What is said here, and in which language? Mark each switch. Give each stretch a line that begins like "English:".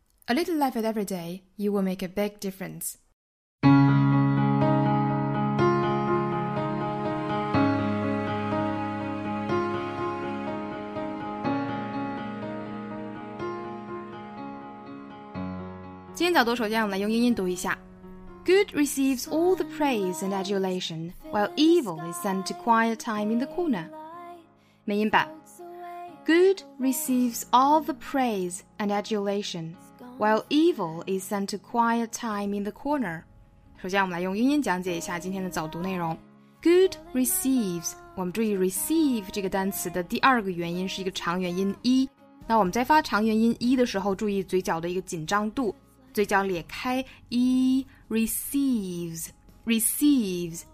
English: A little life at every day, you will make a big difference.
Chinese: 今天早读首先我们来用英音读一下。
English: Good receives all the praise and adulation, while evil is sent to quiet time in the corner.
Chinese: 美音版。
English: Good receives all the praise and adulation, while evil is sent to quiet time in the corner.
Chinese: 首先我们来用英音讲解一下今天的早读内容。
English: Good receives,
Chinese: 我们注意 receive 这个单词的第二个元音是一个长元音 e。那我们在发长元音 e 的时候注意嘴角的一个紧张度。嘴角裂开 e
English: receives, receives.